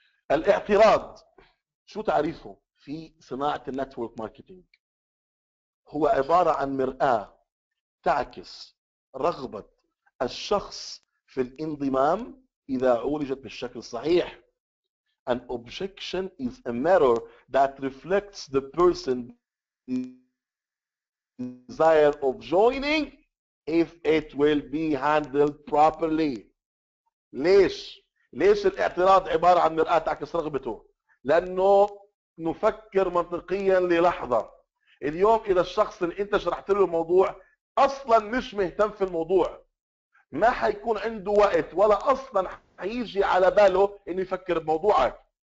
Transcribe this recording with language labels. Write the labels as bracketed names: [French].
[Arabic] الاعتراض شو تعريفه في صناعه النتورك ماركتينج؟ هو عباره عن مراه تعكس رغبه الشخص في الانضمام اذا عولجت بالشكل الصحيح. [English] An objection is a mirror that reflects the person's desire of joining if it will be handled properly. [Arabic] ليش؟ ليش الاعتراض عبارة عن مرآة تعكس رغبته؟ لأنه نفكر منطقيا للحظة. اليوم إذا الشخص اللي أنت شرحت له الموضوع أصلا مش مهتم في الموضوع، ما حيكون عنده وقت ولا أصلا حيجي على باله إنه يفكر بموضوعك.